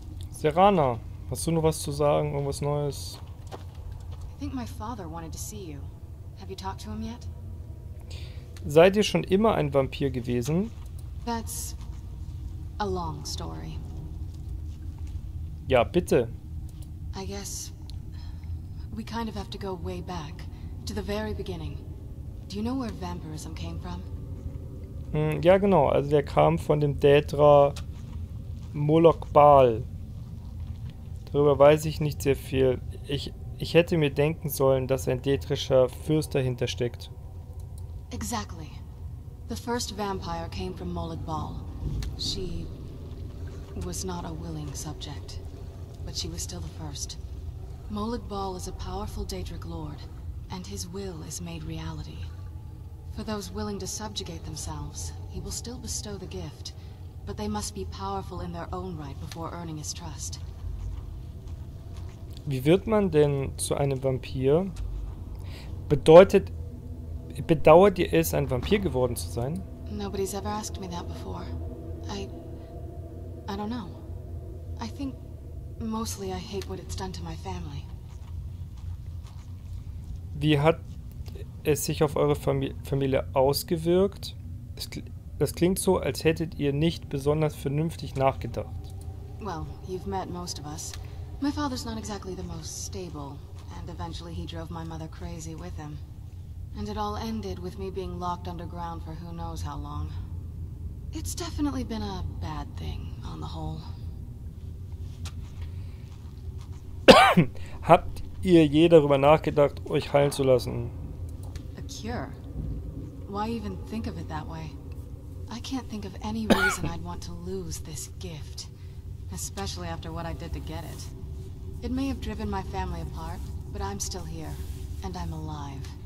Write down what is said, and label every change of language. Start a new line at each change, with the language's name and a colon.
German: Serana, hast du noch was zu sagen, irgendwas Neues?
English: I think my father wanted to see you. Have you talked to him yet?
German: Seid ihr schon immer ein Vampir gewesen?
English: That's A long story.
German: Ja, bitte.
English: I guess we kind of have to go way back to the very beginning. Do you know where vampirism came from?
German: Ja, genau. Also der kam von dem Daedra Molok Baal. Darüber weiß ich nicht sehr viel. Ich hätte mir denken sollen, dass ein daedrischer Fürst dahinter steckt.
English: Exactly. The first vampire came from Molok Baal. She was not a willing subject, but she was still the first. Molok Baal is a powerful daedric lord, and his will is made reality. For those willing to subjugate themselves, he will still bestow the gift, but they must be powerful in their own right before earning his trust.
German: Wie wird man denn zu einem Vampir? Bedeutet, bedauert ihr es, ein Vampir geworden zu sein?
English: Nobody's ever asked me that before. I don't know. I think mostly I hate what it's done to my family.
German: Wie hat es sich auf eure Familie ausgewirkt? Das klingt so, als hättet ihr nicht besonders vernünftig nachgedacht.
English: Well, you've met most of us. My father's not exactly the most stable, and eventually he drove my mother crazy with him. And it all ended with me being locked underground for who knows how long. It's definitely been a bad thing on the whole.
German: Habt ihr je darüber nachgedacht, euch heilen zu lassen?
English: Cure? Why even think of it that way? I can't think of any reason I'd want to lose this gift, especially after what I did to get it. It may have driven my family apart, but I'm still here, and I'm alive.